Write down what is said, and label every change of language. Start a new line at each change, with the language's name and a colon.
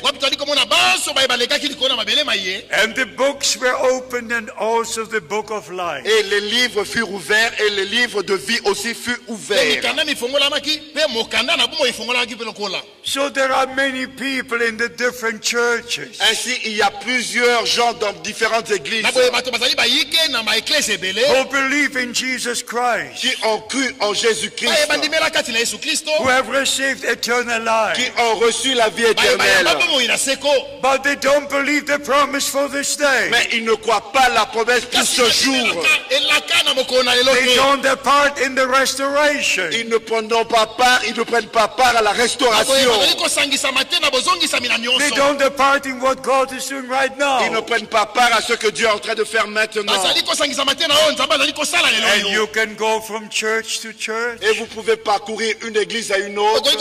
English: And the books were opened and also the book of life.
French: Et les livres furent ouverts et les livres de vie aussi furent ouverts.
English: So there are many people in the different churches.
French: Ainsi, il y a plusieurs gens dans différentes églises
English: who believe in Jesus Christ,
French: qui ont cru en Jésus-Christ,
English: who have received eternal life,
French: qui ont reçu la vie éternelle.
English: But they don't believe the promise for this day.
French: Mais ils ne croient pas la promesse pour ce jour.
English: They don't have part in the restoration.
French: Ils ne prennent pas part, à la restauration.
English: They don't depart in what God is doing right now.
French: Ils ne prennent pas part à ce que Dieu est en train de faire maintenant.
English: And you can go from church to church.
French: Et vous pouvez parcourir une église à une autre.